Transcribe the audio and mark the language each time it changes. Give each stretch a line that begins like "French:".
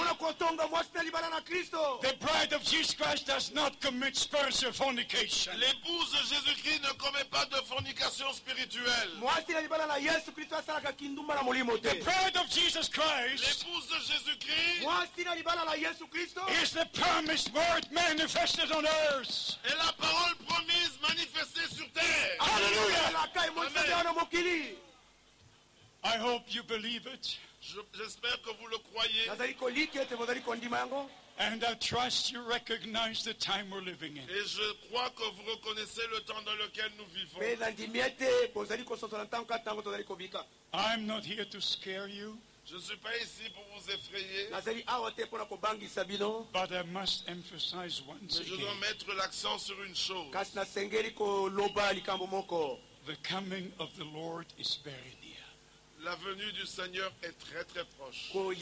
English: The bride of Jesus Christ does not commit spiritual fornication.
French: L'épouse de Jésus Christ ne commet pas de fornication spirituelle.
English: The bride of Jesus Christ,
French: l'épouse de Jésus Christ,
English: is the promised word manifested on earth.
French: Et la parole promise manifestée sur terre.
English: Alleluia. I hope you believe it.
French: J'espère que vous le croyez.
English: And I trust you recognize the time we're living in.
French: Et je crois que vous reconnaissez le temps dans lequel nous vivons.
English: I'm not here to scare you.
French: Je ne suis pas ici pour vous effrayer. Mais je dois mettre l'accent sur une chose.
English: The coming of the Lord is very near.
French: La venue du Seigneur est très très proche.